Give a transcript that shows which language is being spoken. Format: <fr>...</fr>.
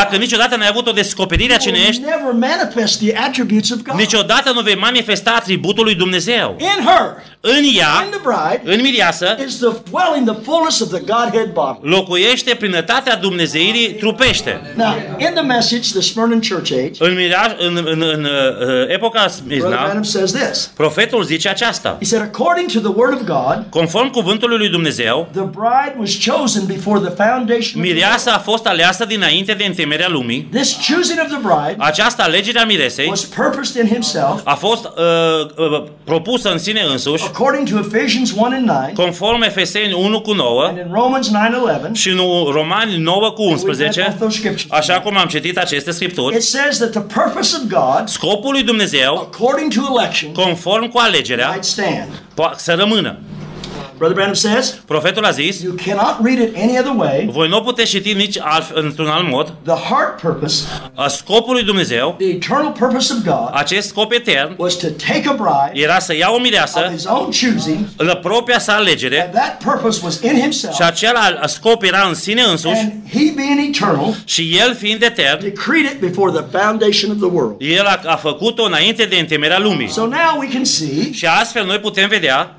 <ro>Dacă niciodată n-ai avut o descoperire a cine ești,</ro> <en>never manifest the attributes of God.</en> <ro>Niciodată nu vei manifesta atributul lui Dumnezeu.</ro> <en>In her,</en> <ro>în ea,</ro> <en>in the bride,</en> <ro>în mireasă,</ro> <en>is the dwelling, the fullness of the Godhead body.</en> <ro>Locuiește plinătatea Dumnezeirii trupește.</ro> <en>Now, in the message, the Smyrna church age,</en> <ro>în epoca Smirna, profetul zice aceasta.</ro> <en>He said, according to the word of God,</en> <ro>conform cuvântului lui Dumnezeu,</ro> <en>the bride was chosen before the foundation of the world.</en> <ro>Mireasa a fost aleasă dinainte de întemerea lumii.</ro> <en>This choosing of the bride,</en> <ro>această alegere a miresei,</ro> <en>was purposed in himself,</en> <ro>a fost propusă în sine însuși.</ro> <en>According to Ephesians 1 and 9,</en> <ro>conform Efeseni 1 cu 9,</ro> <en>and in Romans 9 11,</en> <ro>și în Romani 9 cu 11, așa cum am citit aceste scripturi,</ro> <en>it says that the purpose of God,</en> <ro>scopul lui Dumnezeu,</ro> <en>according to election,</en> <ro>conform cu alegerea,</ro> <en>might stand,</en> <ro>poate să rămână.</ro> <en>Brother Branham says,</en> <ro>profetul a zis,</ro> <en>you cannot read it any other way,</en> <ro>voi nu puteți citi nici într-un alt mod,</ro> <en>the heart purpose,</en> <ro>scopul lui Dumnezeu,</ro> <en>the eternal purpose of God,</en> <ro>acest scop etern,</ro> <en>was to take a bride,</en> <ro>era să ia o mireasă,</ro> <en>of his own choosing,</en> <ro>la propria sa alegere,</ro> <en>and that purpose was in himself,</en> <ro>și acela scop era în sine însuși,</ro> <en>and he being eternal,</en> <ro>și el fiind etern,</ro> <en>decreed it before the foundation of the world.</en> <ro>El a făcut-o înainte de întemerea lumii.</ro> <en>So now we can see,</en> <ro>și astfel noi putem vedea,</ro>